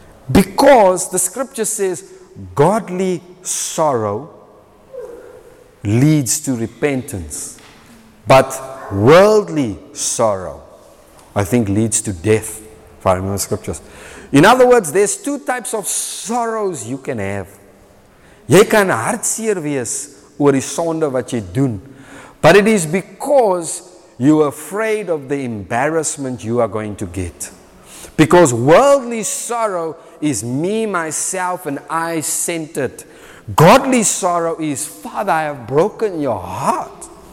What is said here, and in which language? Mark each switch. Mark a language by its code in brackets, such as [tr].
[en] Because the scripture says, godly sorrow leads to repentance. But worldly sorrow, I think, leads to death. If I remember the scriptures. In other words, there's two types of sorrows you can have. [af] Jy kan hartseer wees oor die sonde wat jy doen. [en] But it is because you're afraid of the embarrassment you are going to get. Because worldly sorrow is me, myself, and I-centered. Godly sorrow is, Father, I have broken your heart.